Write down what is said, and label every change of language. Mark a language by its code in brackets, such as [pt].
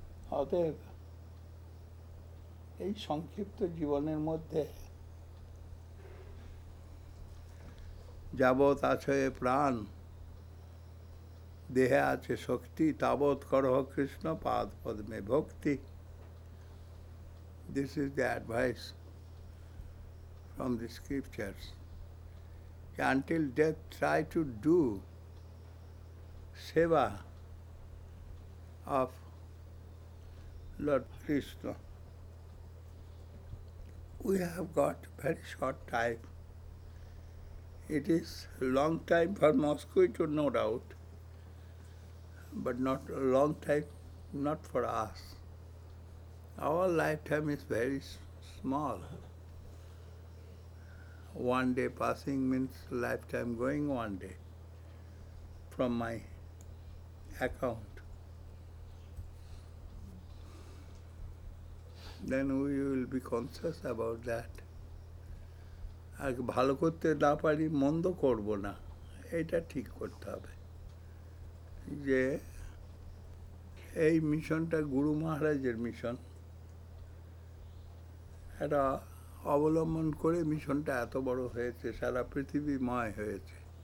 [bn] অতএব এই সংক্ষিপ্ত জীবনের মধ্যে যাবৎ আছে প্রাণ, দেহে আছে শক্তি, তাবৎ করহ কৃষ্ণ পাদ পদ্মে ভক্তি, [en] This is the advice from the scriptures. until death try to do seva of Lord Krishna. We have got very short time. It is long time for mosquito, no doubt, but not a long time, not for us. Our lifetime is very small. One day passing means lifetime going one day from my account. Then we will be conscious about that. [bn] আর ভালো করতে না পারি মন্দ করব না, এটা ঠিক করতে হবে যে এই মিশনটা গুরু মহারাজের মিশন, এটা অবলম্বন করে মিশনটা এত বড় হয়েছে, সারা পৃথিবীময় হয়েছে।